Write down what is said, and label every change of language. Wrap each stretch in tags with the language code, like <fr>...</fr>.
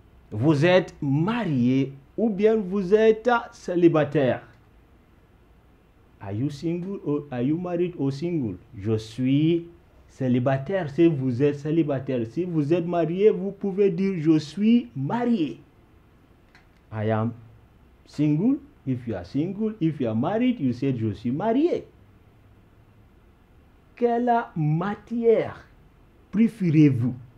<fr>Vous êtes marié ou bien vous êtes célibataire?</fr> <en>Are you single or are you married or single?</en> <fr>Je suis célibataire. Si vous êtes célibataire, si vous êtes marié, vous pouvez dire je suis marié.</fr> <en>I am single. If you are single, if you are married, you say</en> <fr>je suis marié. Quelle matière préférez-vous?</fr>